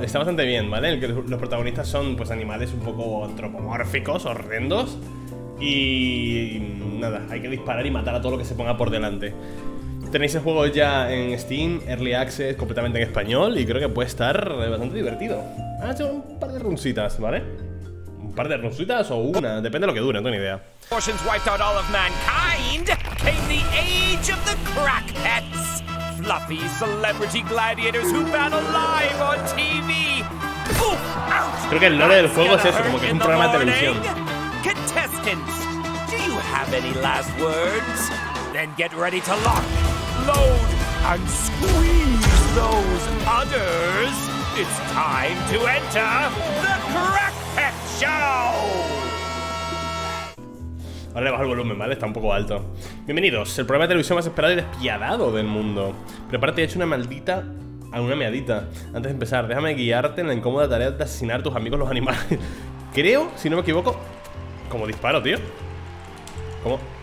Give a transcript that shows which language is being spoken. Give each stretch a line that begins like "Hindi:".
Spanish: Está bastante bien, ¿vale? Los protagonistas son pues animales un poco antropomórficos, horrendos. Y nada, hay que disparar y matar a todo lo que se ponga por delante. Tenéis el juego ya en Steam, Early Access, completamente en español, y creo que puede estar bastante divertido. Ha hecho un par de runcitas, ¿vale? Un par de runcitas o una, depende de lo que dure, no tengo ni idea.
English: Portions wiped out all of mankind, came the age of the crackheads. Fluffy celebrity gladiators who battle live on TV.
Spanish: Creo que el lore del juego es eso, como que es un programa de televisión.
English: Contestants, do you have any last words? Then get ready to lock, load, and squeeze those udders. It's time to enter the Crackpet Show.
Spanish: Ahora le bajo el volumen, ¿vale? Está un poco alto. Bienvenidos, el programa de televisión más esperado y despiadado del mundo. Prepárate y echa una meadita. Antes de empezar, déjame guiarte en la incómoda tarea de asesinar a tus amigos los animales. Creo, si no me equivoco. ¿Cómo disparo, tío? ¿Cómo?